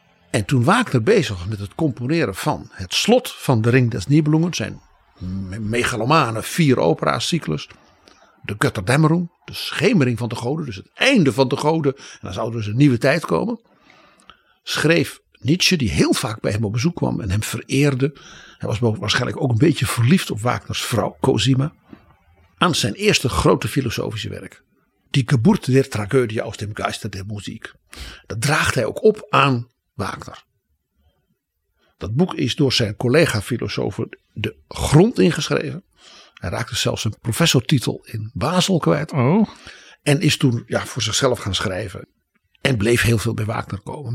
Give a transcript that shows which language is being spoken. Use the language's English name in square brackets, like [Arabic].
[Dutch] En toen Wagner bezig was met het componeren van het slot van de Ring des Nibelungen, zijn megalomane vier opera-cyclus, de Götterdämmerung, de schemering van de goden, dus het einde van de goden, en dan zou er dus een nieuwe tijd komen, schreef Nietzsche, die heel vaak bij hem op bezoek kwam en hem vereerde. Hij was waarschijnlijk ook een beetje verliefd op Wagners vrouw, Cosima. Aan zijn eerste grote filosofische werk. [German] Die Geburt der Tragödie aus dem Geiste der Musik. [Dutch] Dat draagt hij ook op aan Wagner. Dat boek is door zijn collega-filosofen de grond ingeschreven. Hij raakte zelfs zijn professortitel in Basel kwijt. Oh. En is toen voor zichzelf gaan schrijven. En bleef heel veel bij Wagner komen.